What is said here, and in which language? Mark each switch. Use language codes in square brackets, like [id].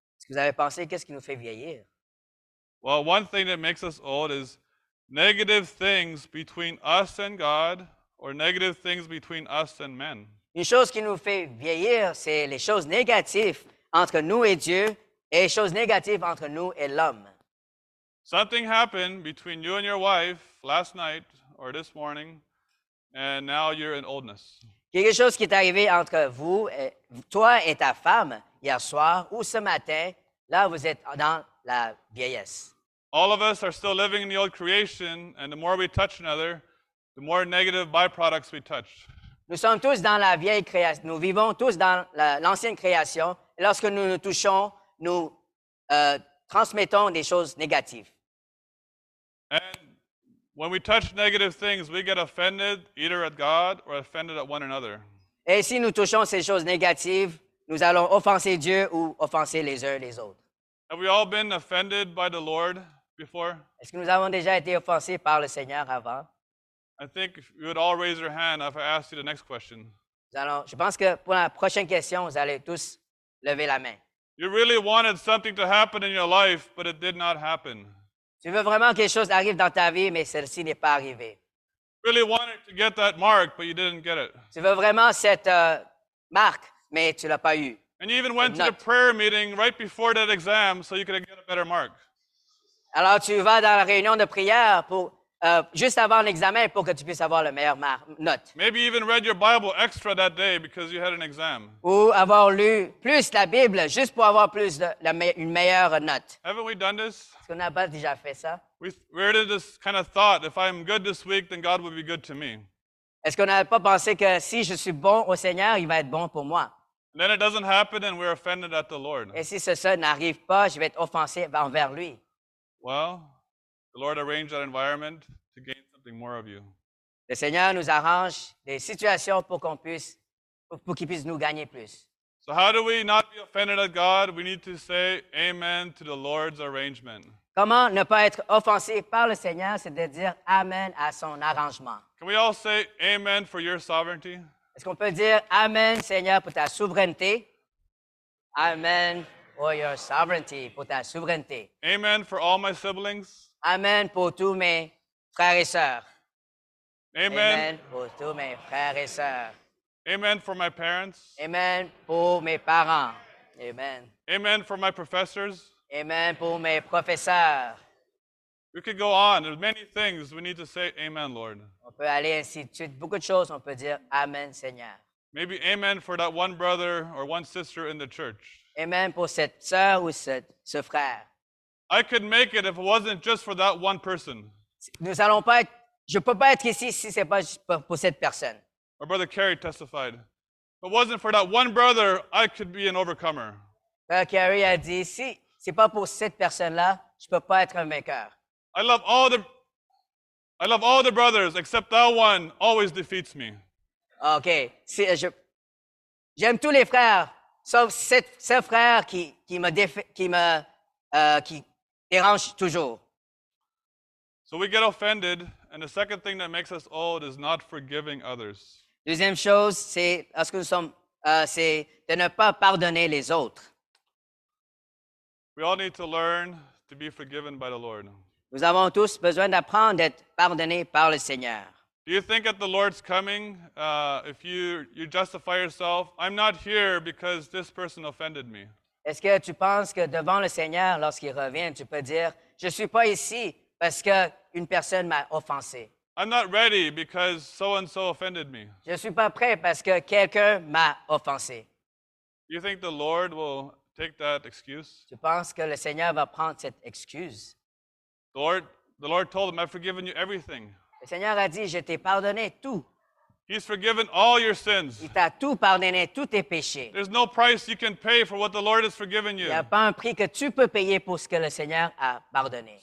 [fr] Est-ce que vous avez pensé qu'est-ce qui nous fait vieillir? [en] Well, one thing that makes us old is negative things between us and God or negative things between us and men. [fr] Une chose qui nous fait vieillir, c'est les choses négatives entre nous et Dieu et les choses négatives entre nous et l'homme. [en] Something happened between you and your wife last night or this morning, and now you're in oldness. [fr] Quelque chose qui est arrivé entre vous, toi et ta femme, hier soir ou ce matin, là vous êtes dans la vieillesse. [en] All of us are still living in the old creation, and the more we touch another, the more negative byproducts we touch. [fr] Nous sommes tous dans la vieille création. Nous vivons tous dans l'ancienne création. Et lorsque nous nous touchons, nous transmettons des choses négatives. [en] And when we touch negative things, we get offended either at God or offended at one another. [fr] Et si nous touchons ces choses négatives, nous allons offenser Dieu ou offenser les uns les autres. [en] Have we all been offended by the Lord before? [fr] Est-ce que nous avons déjà été offensés par le Seigneur avant? [en] I think you would all raise your hand if I asked you the next question. [fr] Alors, je pense que pour la prochaine question, vous allez tous lever la main. [en] You really wanted something to happen in your life, but it did not happen. [fr] Tu veux vraiment que quelque chose arrive dans ta vie, mais celle-ci n'est pas arrivée. [en] You really wanted to get that mark, but you didn't get it. [fr] Tu veux vraiment cette marque, mais tu l'as pas eu. [en] And you even went to the prayer meeting right before that exam so you could get a better mark. [fr] Alors tu vas dans la réunion de prière pour juste avant l'examen pour que tu puisses avoir la meilleure note. [en] Maybe even read your Bible extra that day because you had an exam. [fr] Ou avoir lu plus la Bible juste pour avoir plus de une meilleure note. [en] Haven't we done this? [fr] Est-ce qu'on n'a pas déjà fait ça? [en] We're in this kind of thought, if I'm good this week, then God will be good to me. [fr] Est-ce qu'on n'a pas pensé que si je suis bon au Seigneur, il va être bon pour moi? [en] Then it doesn't happen and we're offended at the Lord. [fr] Et si ça n'arrive pas, je vais être offensé envers lui. [en] Well, the Lord arranged that environment to gain something more of you. [fr] Le Seigneur nous arrange des situations pour qu'on puisse, pour qu'il puisse nous gagner plus. [en] So how do we not be offended at God? We need to say amen to the Lord's arrangement. [fr] Comment ne pas être offensé par le Seigneur, c'est de dire amen à son arrangement. [en] Can we all say amen for your sovereignty? [fr] Est-ce qu'on peut dire amen, Seigneur, pour ta souveraineté? [en] Amen for your sovereignty, [fr] pour ta souveraineté. [en] Amen for all my siblings. [fr] Amen pour tous mes frères et sœurs. Amen. Amen pour tous mes frères et sœurs. [en] Amen for my parents. [fr] Amen pour mes parents. Amen. [en] Amen for my professors. [fr] Amen pour mes professeurs. [en] We could go on. There's many things we need to say amen, Lord. [fr] On peut aller ainsi de suite. Beaucoup de choses, on peut dire amen, Seigneur. [en] Maybe amen for that one brother or one sister in the church. [fr] Amen pour cette sœur ou ce frère. [en] I could make it if it wasn't just for that one person. [fr] Nous allons pas être, je peux pas être ici si c'est pas pour cette personne. [en] My brother Kerry testified. If it wasn't for that one brother, I could be an overcomer. [fr] Kerry a dit, si c'est pas pour cette personne-là, je peux pas être un vainqueur. [en] I love all the brothers, except that one always defeats me. Okay. [fr] Si, j'aime tous les frères, sauf ce frère qui dérange toujours. [en] So we get offended, and the second thing that makes us old is not forgiving others. [fr] Deuxième chose, c'est lorsque nous sommes, c'est de ne pas pardonner les autres. [en] We all need to learn to be forgiven by the Lord. [fr] Nous avons tous besoin d'apprendre d'être pardonnés par le Seigneur. [en] Do you think at the Lord's coming, if you justify yourself, I'm not here because this person offended me? [fr] Est-ce que tu penses que devant le Seigneur, lorsqu'il revient, tu peux dire, je suis pas ici parce que une personne m'a offensé? [en] I'm not ready because so and so offended me. [fr] Je suis pas prêt parce que quelqu'un m'a offensé. [en] Do you think the Lord will take that excuse? [fr] Tu penses que le Seigneur va prendre cette excuse? [en] The Lord told him, I've forgiven you everything. [fr] Le Seigneur a dit, je t'ai pardonné tout. [en] He's forgiven all your sins. [fr] Il t'a tout pardonné, tous tes péchés. [en] There's no price you can pay for what the Lord has forgiven you. [fr] Il n'y a pas un prix que tu peux payer pour ce que le Seigneur a pardonné.